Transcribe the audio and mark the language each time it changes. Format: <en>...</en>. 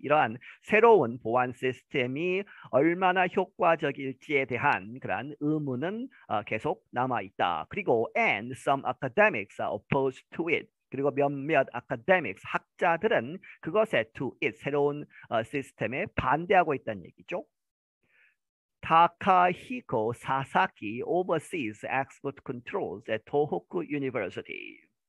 <ko>이러한 새로운 보안 시스템이 얼마나 효과적일지에 대한 그런 의문은 계속 남아 있다. 그리고</ko> <en>and some academics are opposed to it.</en> <ko>그리고 몇몇 아카데믹스 학자들은 그것에</ko> <en>to it</en> <ko>새로운 시스템에 반대하고 있다는 얘기죠.</ko> <en>타카히코 사사키 oversees export controls at Tohoku University.</en>